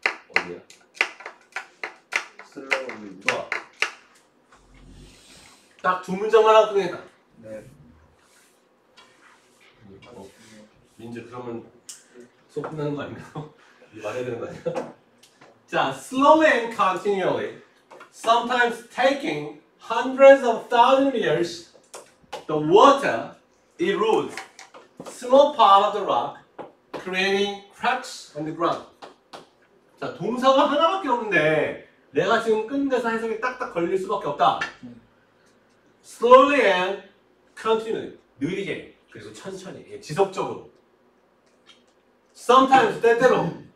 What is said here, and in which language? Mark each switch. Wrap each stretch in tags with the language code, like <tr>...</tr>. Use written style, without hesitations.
<ko>어디야? 좋아. 딱 두 문장만 하고 끝내자. 네. 민재 그러면 속 끝나는 거 아닌가? 말해야 되는 거 아니야?</ko> <en>자, slowly and continually, sometimes taking hundreds of thousands of years, the water erodes small part of the rock, creating cracks in the ground.</en> <ko>자, 동사가 하나밖에 없는데. 내가 지금 끝내서 해석이 딱딱 걸릴 수밖에 없다.</ko> <en>Slowly and continually.</en> <ko>느리게. 그래서 천천히. 지속적으로. Sometimes 때때로.</ko>